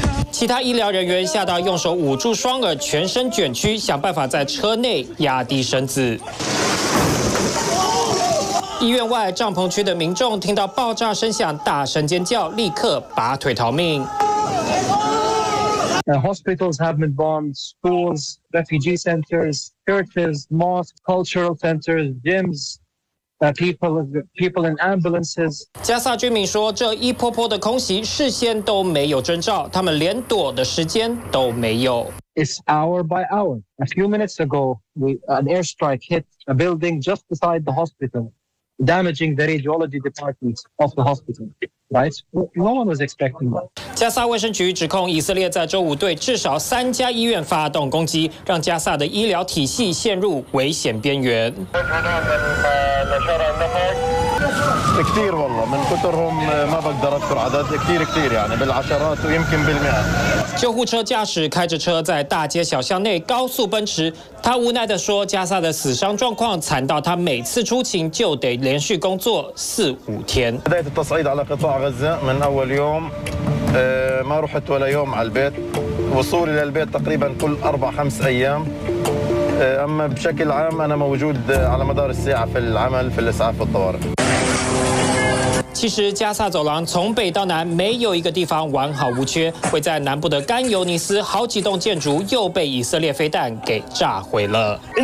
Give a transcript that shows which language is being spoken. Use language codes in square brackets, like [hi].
[zh] 其他医疗人员吓到用手捂住双耳，全身卷曲，想办法在车内压低身子。医院外帐篷区的民众听到爆炸声响大声尖叫，立刻拔腿逃命。 [en] Hospitals have been bombed, schools, refugee centers, churches, mosques, cultural centers, gyms, people in ambulances. [zh] 加萨居民说，这一波波的空袭事先都没有征兆，他们连躲的时间都没有。 [en] It's hour by hour. A few minutes ago, an airstrike hit a building just beside the hospital, damaging the radiology department of the hospital. No one was expecting that. [zh] 加萨卫生局指控以色列在周五对至少3家医院发动攻击，让加萨的医疗体系陷入危险边缘。 [ar] كثير والله من كثرهم ما بقدر أذكر عدد كثير كثير يعني بالعشرات ويمكن بالمئات. [zh] 救护车驾驶开着车在大街小巷内高速奔驰，他无奈地说：“加萨的死伤状况惨到他每次出勤就得连续工作4-5天。” [ar] بدأت التصعيد على قطاع غزة من أول يوم ما رحت ولا يوم على البيت وصولي للبيت تقريبا كل 4-5 أيام. أما بشكل عام أنا موجود على مدار الساعة في العمل في الإسعاف والطوارئ. [zh] 其实加萨走廊从北到南没有一个地方完好无缺，位在南部的甘尤尼斯好几栋建筑又被以色列飞弹给炸毁了。